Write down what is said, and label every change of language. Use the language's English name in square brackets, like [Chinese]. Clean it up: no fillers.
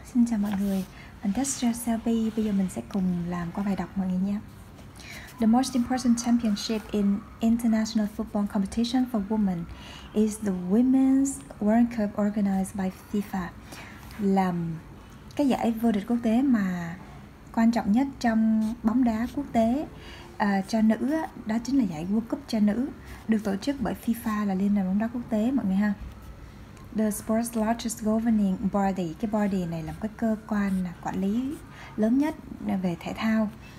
[Vietnamese] Xin chào mọi người, Industrial Selfie. Bây giờ mình sẽ cùng làm qua bài đọc mọi người nhé. [English] The most important championship in international football competition for women is the Women's World Cup organized by FIFA. [Vietnamese] Làm cái giải vô địch quốc tế mà quan trọng nhất trong bóng đá quốc tế cho nữ, đó chính là giải World Cup cho nữ, được tổ chức bởi FIFA, là Liên đoàn bóng đá quốc tế mọi người ha. [English] The sport's largest governing body. [Vietnamese] Cái body này là cái cơ quan quản lý lớn nhất về thể thao.